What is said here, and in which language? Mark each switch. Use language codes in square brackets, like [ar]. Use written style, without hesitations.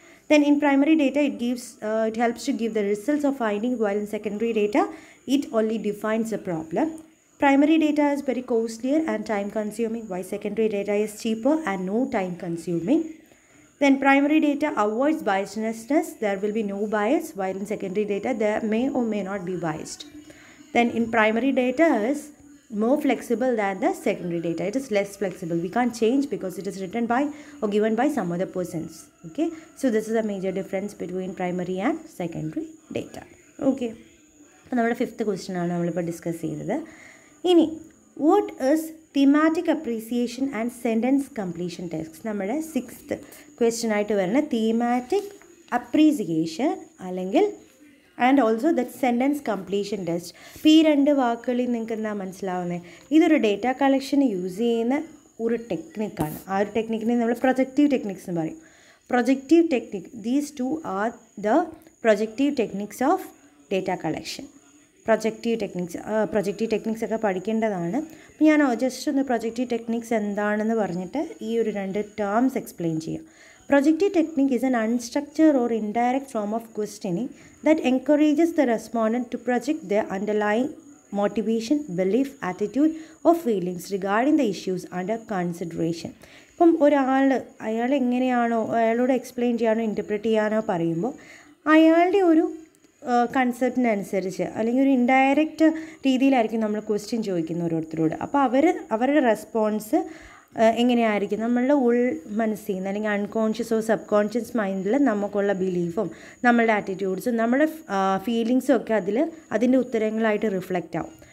[en] Then in primary data it gives it helps to give the results of finding, while in secondary data it only defines a problem. Primary data is very costlier and time consuming, while secondary data is cheaper and no time consuming. Then primary data avoids biasnessness, there will be no bias, while in secondary data there may or may not be biased. Then in primary data is more flexible than the secondary data. It is less flexible. We can't change because it is written by or given by some other persons. Okay? So this is a major difference between primary and secondary data. Okay? So our fifth question is what we are discussing. Ini, what is thematic appreciation and sentence completion tasks? Our sixth question is thematic appreciation alengil and also that sentence completion test. [ml] ഇപ്പം ഈ രണ്ട് വാക്കുകളിൽ നിങ്ങൾക്ക് എന്താ മനസ്സിലാവുന്നത്, ഇതൊരു data കളക്ഷന് use ചെയ്യുന്ന ഒരു ടെക്നിക്കാണ്. ആ ഒരു ടെക്നിക്കിനെ നമ്മൾ പ്രൊജക്റ്റീവ് ടെക്നിക്സ് എന്ന് പറയും. Projective technique, [en] These two are the projective techniques of data collection. [ml] Projective techniques, projective techniques ഒക്കെ പഠിക്കേണ്ടതാണ്. അപ്പം ഞാൻ ജസ്റ്റ് ഒന്ന് പ്രൊജക്റ്റീവ് ടെക്നിക്സ് എന്താണെന്ന് പറഞ്ഞിട്ട് ഈ ഒരു രണ്ട് ടേംസ് എക്സ്പ്ലെയിൻ ചെയ്യാം. [en] Projective technique is an unstructured or indirect form of questioning that encourages the respondent to project their underlying motivation, belief, attitude or feelings regarding the issues under consideration. [ml] ഇപ്പം ഒരാൾ അയാൾ എങ്ങനെയാണോ അയാളോട് എക്സ്പ്ലെയിൻ ചെയ്യാനോ interpret ചെയ്യാനോ പറയുമ്പോൾ അയാളുടെ ഒരു കൺസെപ്റ്റിനനുസരിച്ച് അല്ലെങ്കിൽ ഒരു ഇൻഡയറക്റ്റ് രീതിയിലായിരിക്കും നമ്മൾ ക്വസ്റ്റ്യൻ ചോദിക്കുന്ന ഓരോരുത്തരോട്. അപ്പോൾ അവരുടെ റെസ്പോൺസ് എങ്ങനെയായിരിക്കും, നമ്മളുടെ ഉൾ മനസ്സിൽ നിന്ന് അല്ലെങ്കിൽ അൺകോൺഷ്യസോ സബ് കോൺഷ്യസ് മൈൻഡിൽ നമുക്കുള്ള ബിലീഫും നമ്മളുടെ ആറ്റിറ്റ്യൂഡ്സും നമ്മുടെ ഫീലിങ്സും ഒക്കെ അതിൻ്റെ ഉത്തരങ്ങളായിട്ട് റിഫ്ലക്റ്റ് ആവും.